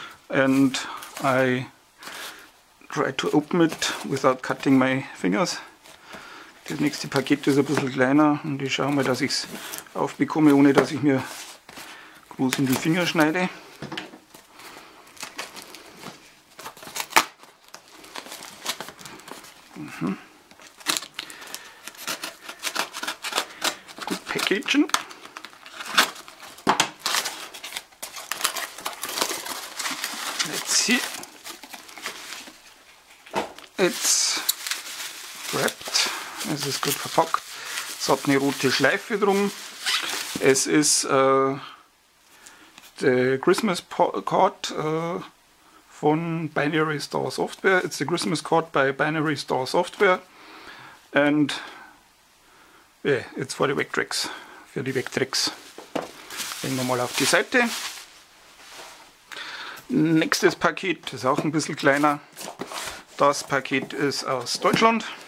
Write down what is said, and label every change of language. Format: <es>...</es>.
<en>And I try to open it without cutting my fingers.</en> <de>Das nächste Paket ist ein bisschen kleiner und ich schaue mal, dass ich es aufbekomme, ohne dass ich mir groß in die Finger schneide. Gut, Packagen.</de> <en>Let's see. It's wrapped.</en> <de>Es ist gut verpackt. Es hat eine rote Schleife drum. Es ist der Christmas Card von Binary Star Software.</de> <en>It's the Christmas Card by Binary Star Software. And yeah, it's for the Vectrex.</en> <de>Für die Vectrex. Legen wir mal auf die Seite. Nächstes Paket ist auch ein bisschen kleiner. Das Paket ist aus Deutschland.</de>